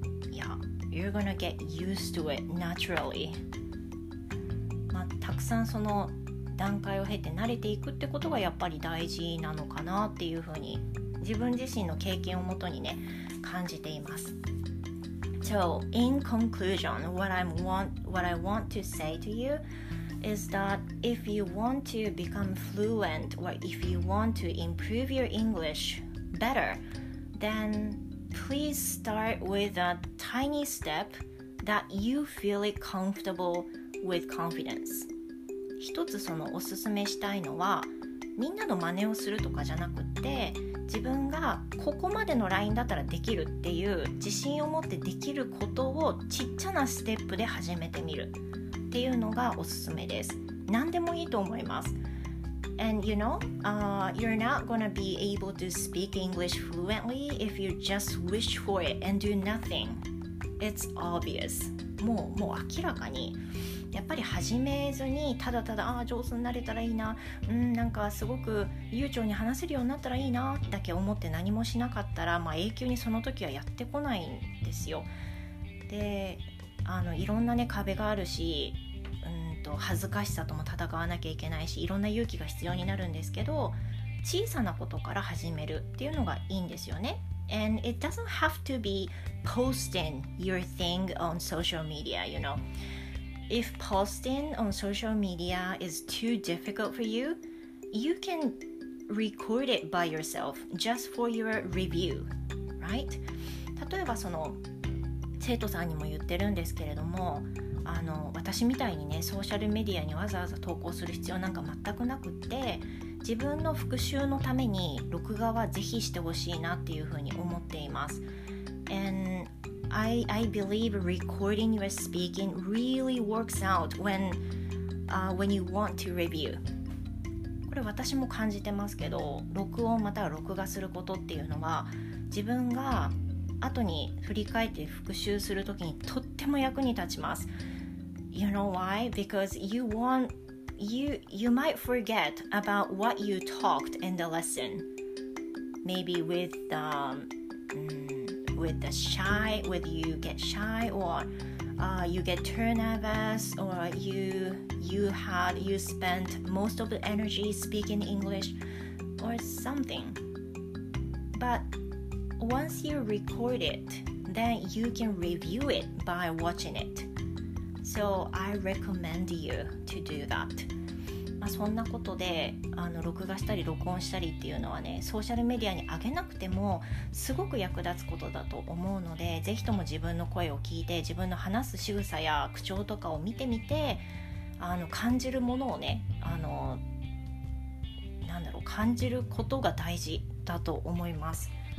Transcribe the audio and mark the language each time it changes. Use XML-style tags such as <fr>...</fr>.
<en>Yeah, you're gonna get used to it naturally。</en> <ja>まあ、たくさんその段階を経て慣れていくってことがやっぱり大事なのかなっていうふうに、自分自身の経験をもとにね感じています。</ja> <en>So in conclusion, what I want to say to you is that if you want to become fluent or if you want to improve your EnglishBetter, then please start with a tiny step that you feel it comfortable with confidence.</en> <ja>一つそのおすすめしたいのは、みんなの真似をするとかじゃなくて、自分がここまでのラインだったらできるっていう自信を持ってできることをちっちゃなステップで始めてみるっていうのがおすすめです。何でもいいと思います。</ja> <en>And you know, you're not gonna be able to speak English fluently if you just wish for it and do nothing. It's obvious.</en> <ja>もう明らかに。やっぱり始めずに、ただただ、ああ、上手になれたらいいな、なんかすごく悠長に話せるようになったらいいな、だけ思って何もしなかったら、まあ永久にその時はやってこないんですよ。で、いろんなね、壁があるし、恥ずかしさとも戦わなきゃいけないし、いろんな勇気が必要になるんですけど、小さなことから始めるっていうのがいいんですよね。</ja> <en>And it doesn't have to be posting your thing on social media, you know. If posting on social media is too difficult for you, you can record it by yourself just for your review, right?</en> <ja>例えばその生徒さんにも言ってるんですけれども、あの私みたいにねソーシャルメディアにわざわざ投稿する必要なんか全くなくって、自分の復習のために録画はぜひしてほしいなっていうふうに思っています。</ja> <en>And I believe recording your speaking really works out when you want to review.</en> <ja>これ私も感じてますけど、録音または録画することっていうのは自分が後に振り返って復習するときにとっても役に立ちます。</ja> <en>You know why? Because you might forget about what you talked in the lesson. Maybe with you get shy, or you get too nervous, or you spent most of the energy speaking English or something. But once you record it, then you can review it by watching it. So I recommend you to do that.</en> <ja>まあ、そんなことで、あの録画したり録音したりっていうのはね、ソーシャルメディアに上げなくてもすごく役立つことだと思うので、ぜひとも自分の声を聞いて、自分の話す仕草や口調とかを見てみて、あの感じるものをね、あのなんだろう、感じることが大事だと思います。</ja>